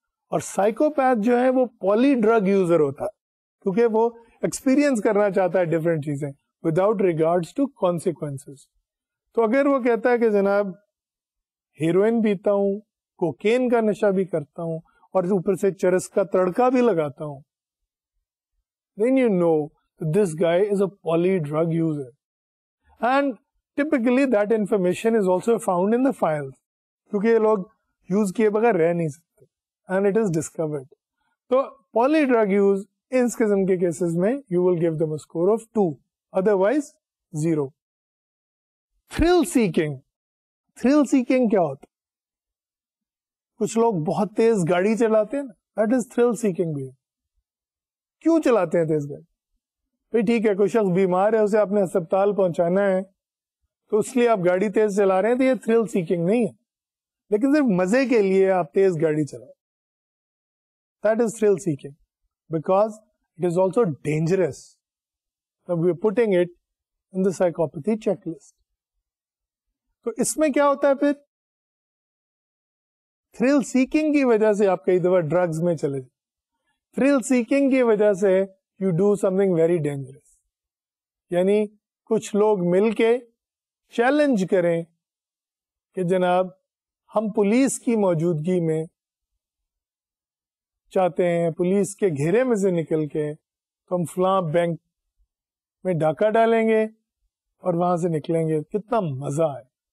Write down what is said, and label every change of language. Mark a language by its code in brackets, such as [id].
[ur] اور سائیکوپیتھ جو ہے وہ پولی ڈرگ یوزر ہوتا ہے کیونکہ وہ ایکسپیرینس کرنا چاہتا ہے ڈفرینٹ چیزیں وداؤٹ ریگارڈ ٹو کانسیکوینسز. تو اگر وہ کہتا ہے کہ جناب ہیروئن پیتا ہوں, کوکین کا نشہ بھی کرتا ہوں اور اوپر سے چرس کا تڑکا بھی لگاتا ہوں, [en] then you know this guy is a poly drug user. And typically that information is also found in the files. [ur] Kyunki ye log use kiye bagair reh nahi sakte. [en] And it is discovered. So poly drug use in this kind of cases mein you will give them a score of 2. Otherwise 0. Thrill seeking [ur] kya hota? Kuch log bahut tez gaadi chalate hain. [en] That is thrill seeking [ur] bhi. Kyun chalate hain tez gaadi? ٹھیک ہے, کوئی شخص بیمار ہے اسے آپ نے اسپتال پہنچانا ہے تو اس لیے آپ گاڑی تیز چلا رہے ہیں, تو یہ تھرل سیکنگ نہیں ہے, لیکن صرف مزے کے لیے آپ تیز گاڑی چلا, [en] That is thrill seeking because it is also dangerous. We are putting it in the psychopathy checklist. [ur] تو اس میں کیا ہوتا ہے پھر, تھرل سیکنگ کی وجہ سے آپ کئی دفعہ ڈرگز میں چلے جائیں, تھرل سیکنگ کی وجہ سے [en] you do something very dangerous. [ur] یعنی کچھ لوگ مل کے چیلنج کریں کہ جناب ہم پولیس کی موجودگی میں چاہتے ہیں, پولیس کے گھیرے میں سے نکل کے تو ہم فلاں بینک میں ڈاکہ ڈالیں گے اور وہاں سے نکلیں گے, کتنا مزہ آئے.